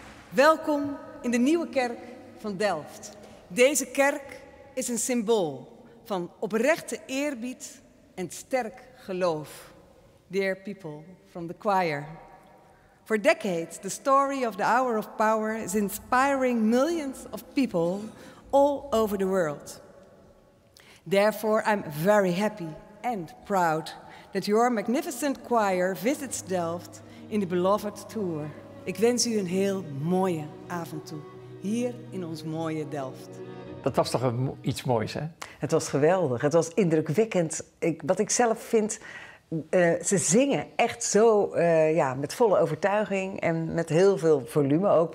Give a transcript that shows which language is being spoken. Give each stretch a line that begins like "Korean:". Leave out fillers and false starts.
Dutch: Welkom in de Nieuwe Kerk van Delft. Deze kerk is een symbool van oprechte eerbied en sterk geloof.
English: Dear people from the choir. For decades, the story of the Hour of Power is inspiring millions of people all over the world. Therefore, I'm very happy and proud that your magnificent choir visits Delft in the beloved tour.
Dutch: Ik wens u een heel mooie avond toe, hier in ons mooie Delft. Dat was toch iets moois, hè? Het was geweldig, het was indrukwekkend. Wat ik zelf vind, ze zingen echt zo met volle overtuiging en met heel veel volume ook.